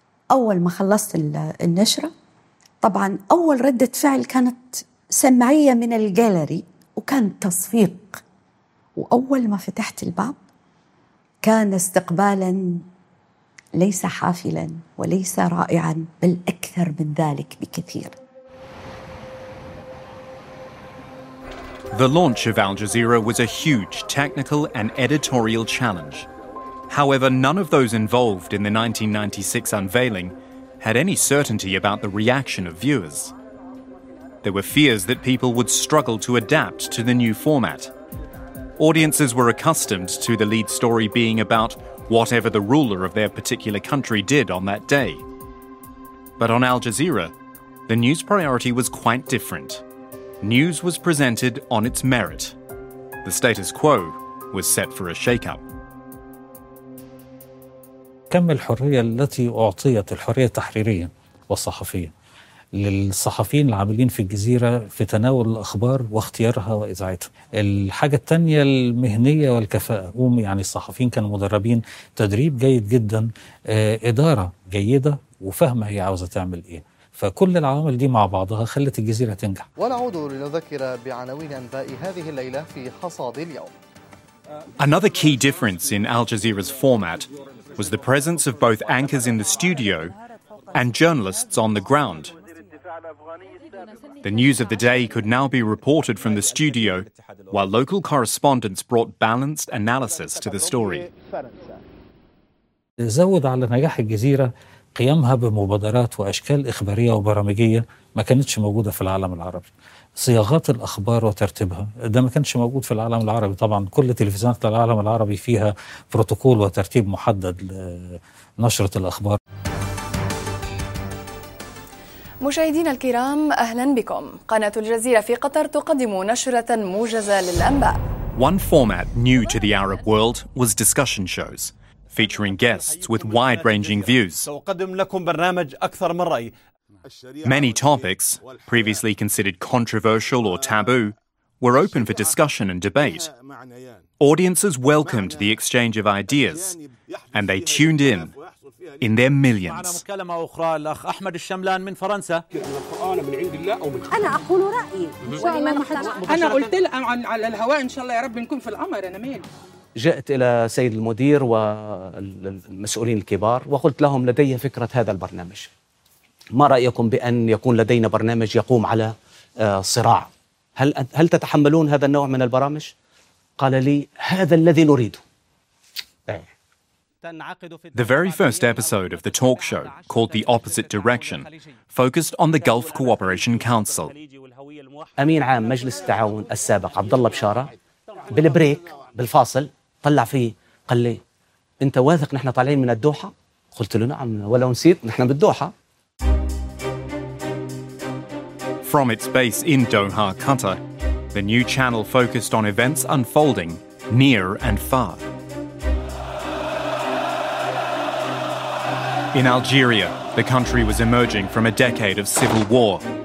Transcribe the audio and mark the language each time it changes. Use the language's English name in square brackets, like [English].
[Arabic] أول ما خلصت النشرة طبعا أول ردة فعل كانت سمعية من الجاليري، وكان تصفيق، وأول ما فتحت الباب كان استقبالا ليس حافلا وليس رائعا، بل أكثر من ذلك بكثير. [English] The launch of Al Jazeera was a huge technical and editorial challenge. However, none of those involved in the 1996 unveiling had any certainty about the reaction of viewers. There were fears that people would struggle to adapt to the new format. Audiences were accustomed to the lead story being about whatever the ruler of their particular country did on that day. But on Al Jazeera, the news priority was quite different. News was presented on its merit. The status quo was set for a shake-up. [Arabic] كم الحرية التي أعطيت، الحرية التحريرية والصحفية للصحفيين العاملين في الجزيرة في تناول الأخبار واختيارها وإذاعتها. الحاجة الثانية المهنية والكفاءة، يعني الصحفيين كانوا مدربين تدريب جيد جدا، إدارة جيدة وفهمة هي عاوزة تعمل إيه. فكل العوامل دي مع بعضها خلت الجزيرة تنجح. ونعود لنذكر بعناوين أنباء هذه الليلة في حصاد اليوم. [English] Another key difference in Al Jazeera's format was the presence of both anchors in the studio and journalists on the ground. The news of the day could now be reported from the studio, while local correspondents brought balanced analysis to the story. [Arabic] زود على نجاح الجزيرة قيامها بمبادرات وأشكال إخبارية وبرامجية ما كانتش موجودة في العالم العربي. صياغات الأخبار وترتيبها ده ما كانتش موجود في العالم العربي. طبعا كل تلفزيونات العالم العربي فيها بروتوكول وترتيب محدد لنشرة الأخبار. مشاهدين الكرام، أهلا بكم. قناة الجزيرة في قطر تقدم نشرة موجزة للأنباء. [English] One format new to the Arab world was discussion shows, featuring guests with wide-ranging views. Many topics, previously considered controversial or taboo, were open for discussion and debate. Audiences welcomed the exchange of ideas, and they tuned in in their millions. [Arabic] معنا مكالمة أخرى الأخ أحمد الشملان من فرنسا. أنا من عند الله أو من أنا أقول رأيي. إن شاء الله أنا قلت على الهواء إن شاء الله يا رب نكون في الأمر أنا مين. جئت إلى سيد المدير والمسؤولين الكبار وقلت لهم لدي فكرة هذا البرنامج. ما رأيكم بأن يكون لدينا برنامج يقوم على صراع؟ هل تتحملون هذا النوع من البرامج؟ قال لي هذا الذي نريده. [English] The very first episode of the talk show, called The Opposite Direction, focused on the Gulf Cooperation Council. [Arabic] أمين عام مجلس التعاون السابق عبد الله بشارة بالبريك بالفاصل طلع فيه قال لي أنت واثق نحن طالعين من الدوحة؟ قلت له نعم ولو نسيت نحن بالدوحة. [English] From its base in Doha, Qatar, the new channel focused on events unfolding near and far. In Algeria, the country was emerging from a decade of civil war.